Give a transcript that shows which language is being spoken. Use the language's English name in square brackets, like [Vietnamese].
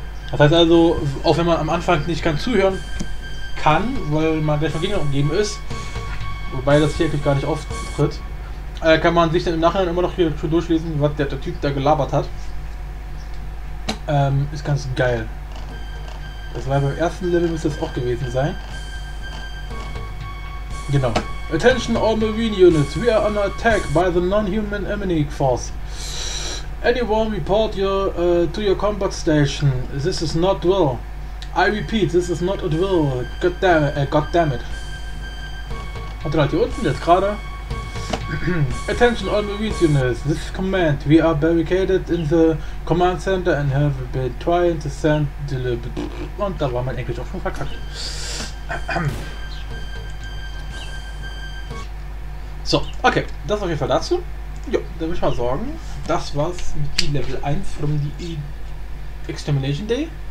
[German] Das heißt also, auch wenn man am Anfang nicht ganz zuhören kann, weil man gleich von Gegner umgeben ist, wobei das hier eigentlich gar nicht auftritt, kann man sich dann im Nachhinein immer noch hier schon durchlesen, was der Typ da gelabert hat. Ist ganz geil. Das war beim ersten Level, müsste das auch gewesen sein. Genau. [English] Attention all marine units, we are under attack by the non-human emanic force. Anyone report your to your combat station. This is not drill. I repeat, this is not a drill. God damn it. [German] Hat er halt hier unten jetzt gerade. [English] Attention all marine units. This is command. We are barricaded in the command center and have been trying to send deliver. [German] Und da war mein Englisch auch schon verkackt. So, okay, das auf jeden Fall dazu. Ja, dann würde ich mal sagen, das war's mit dem Level 1 von The Extermination Day.